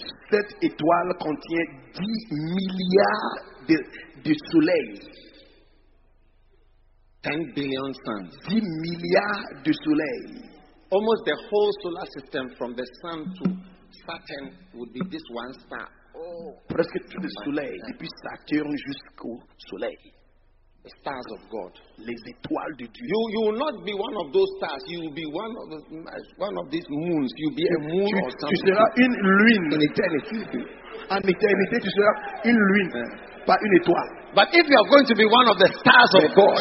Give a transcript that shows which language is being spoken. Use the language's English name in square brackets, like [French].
[French] Cette étoile contient 10 milliards de soleils. [English] 10 billion suns. [French] 10 milliards de soleils. [English] Almost the whole solar system from the sun to Saturn would be this one star. Oh, [French] presque tout le soleil, depuis Saturne jusqu'au soleil. [English] The stars of God. [French] Les étoiles de Dieu. [English] You will not be one of those stars. You will be one of these moons. You will be a moon [French] tu, [English] or something. [French] Tu seras une lune. [English] In eternity. [French] En éternité, tu seras une lune, pas une étoile. [English] But if you are going to be one of the stars of God,